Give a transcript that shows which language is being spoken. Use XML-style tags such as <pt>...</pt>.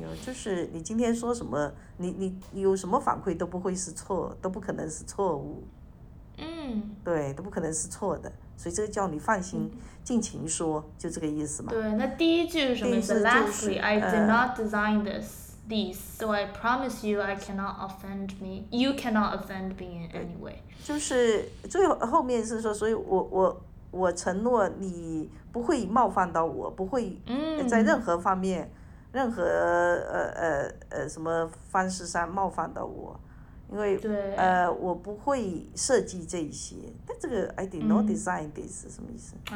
<zh>有就是你今天说什么，你有什么反馈都不会是错，都不可能是错误。嗯。对，都不可能是错的。所以这个叫你放心尽情说，就这个意思嘛。对，那第一句是什么意思？</zh> <en>Lastly, I did not design this, so I promise you I cannot offend me, you cannot offend me in any way.</en> <zh>就是最后面是说，所以我承诺你不会冒犯到我，不会在任何方面任何什么方式上冒犯到我。因为我不会设计这一些，但这个</zh> <en>I did not design this</en> <zh>是什么意思？</zh>